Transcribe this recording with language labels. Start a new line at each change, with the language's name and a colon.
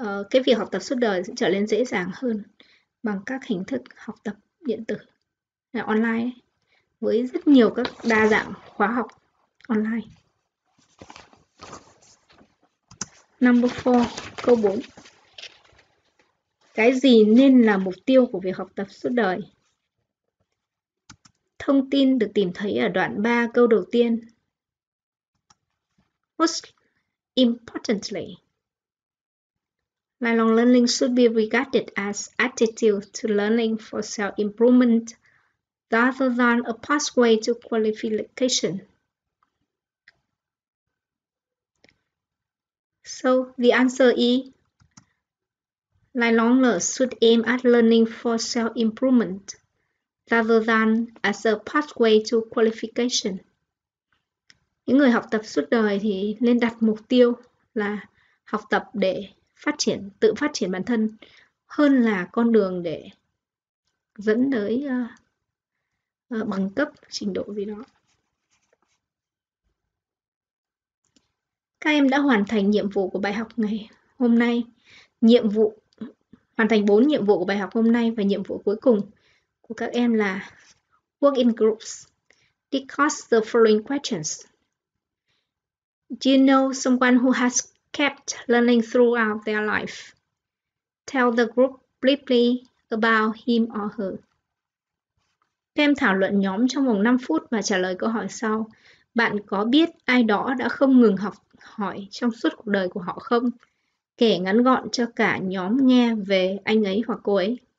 Vietnamese: Cái việc học tập suốt đời sẽ trở nên dễ dàng hơn bằng các hình thức học tập điện tử là online với rất nhiều các đa dạng khóa học online.
English: Number 4,
Vietnamese: câu 4. Cái gì nên là mục tiêu của việc học tập suốt đời? Thông tin được tìm thấy ở đoạn 3 câu đầu tiên.
English: Most importantly, lifelong learning should be regarded as attitude to learning for self-improvement rather than a pathway to qualification. So, the answer is lifelong learners should aim at learning for self-improvement rather than as a pathway to qualification.
Vietnamese: Những người học tập suốt đời thì nên đặt mục tiêu là học tập để phát triển, tự phát triển bản thân hơn là con đường để dẫn tới bằng cấp, trình độ gì đó. Các em đã hoàn thành nhiệm vụ của bài học ngày hôm nay. Hoàn thành 4 nhiệm vụ của bài học hôm nay và nhiệm vụ cuối cùng của các em là
English: work in groups. Discuss the following questions. Do you know someone who has kept learning throughout their life? Tell the group briefly about him or her.
Vietnamese: Các em thảo luận nhóm trong vòng 5 phút và trả lời câu hỏi sau. Bạn có biết ai đó đã không ngừng học hỏi trong suốt cuộc đời của họ không? Kể ngắn gọn cho cả nhóm nghe về anh ấy hoặc cô ấy.